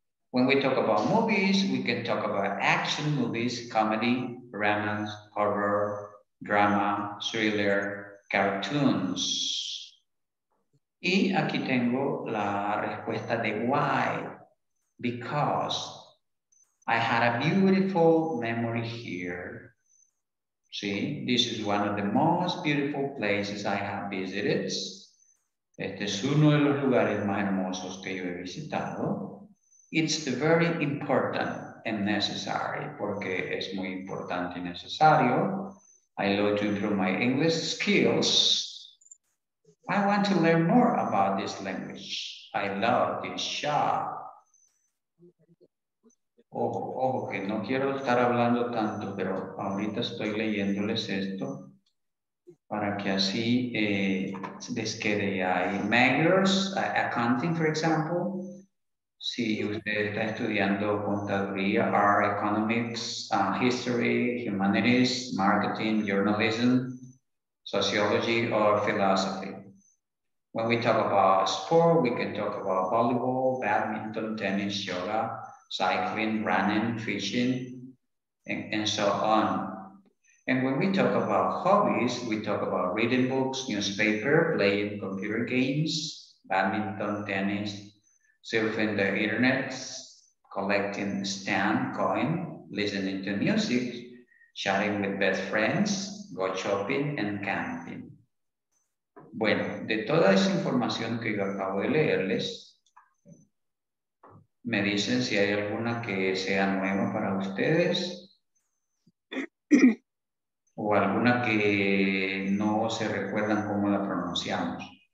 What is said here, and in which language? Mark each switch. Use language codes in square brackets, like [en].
[en] When we talk about movies, we can talk about action movies, comedy, romance, horror, drama, thriller, cartoons. [es] Y aquí tengo la respuesta de why. [en] Because I had a beautiful memory here. See, this is one of the most beautiful places I have visited. [es] Este es uno de los lugares más hermosos que yo he visitado. [en] It's very important and necessary, [es] porque es muy importante y necesario. [en] I love to improve my English skills. I want to learn more about this language. I love this job. [es] Ojo, ojo, que no quiero estar hablando tanto, pero ahorita estoy leyéndoles esto para que así les quede ya. [en] Managers, accounting, for example, [es] si usted está estudiando contaduría, [en] art, economics, history, humanities, marketing, journalism, sociology, or philosophy. When we talk about sport, we can talk about volleyball, badminton, tennis, yoga, cycling, running, fishing, and so on. And when we talk about hobbies, we talk about reading books, newspaper, playing computer games, badminton, tennis, surfing the internet, collecting stamp coin, listening to music, chatting with best friends, go shopping and camping. [es] Bueno, de toda esa información que yo acabo de leerles, me dicen si hay alguna que sea nueva para ustedes o alguna que no se recuerdan cómo la pronunciamos.